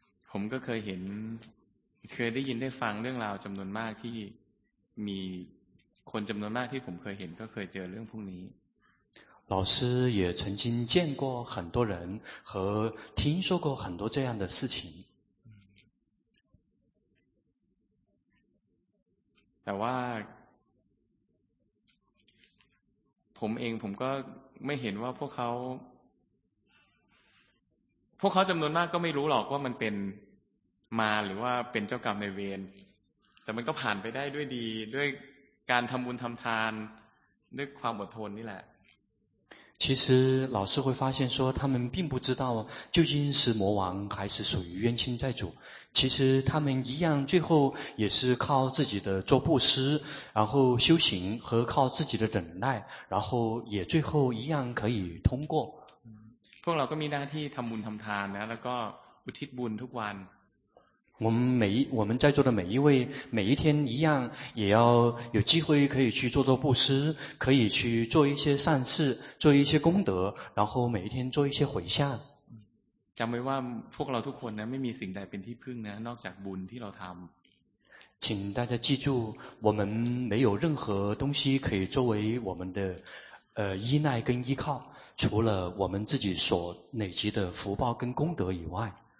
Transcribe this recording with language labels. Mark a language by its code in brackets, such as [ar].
[th] ผมก็เคยได้ยินได้ฟังเรื่องราวจำนวนมากที่มีคนจำนวนมากที่ผมเคยเห็นก็เคยเจอเรื่องพวกนี้ [zh] 老师也曾经见过很多人和听说过很多这样的事情。 [th] แต่ว่าผมเองผมก็ไม่เห็นว่าพวกเขาจำนวนมากก็ไม่รู้หรอกว่ามันเป็นมาหรือว่าเป็นเจ้ากรรมในเวรแต่มันก็ผ่านไปได้ด้วยดีด้วยการทำบุญทำทานด้วยความอดทนนี่แหละ [zh] 其实老师会发现说他们并不知道究竟是魔王还是属于冤亲债主，其实他们一样最后也是靠自己的做布施然后修行和靠自己的忍耐然后也最后一样可以通过 [th] พวกเราก็มีหน้าที่ทำบุญทำทานนะแล้วก็อุทิศบุญทุกวัน [zh] 我们在座的每一位每一天一样也要有机会可以去做做布施可以去做一些善事做一些功德然后每一天做一些回向 [th] จำไว้ว่าพวกเราทุกคนนะไม่มีสิ่งใดเป็นที่พึ่งนะนอกจากบุญที่เราทำ [zh] 请大家记住我们没有任何东西可以作为我们的依赖跟依靠除了我们自己所累积的福报跟功德以外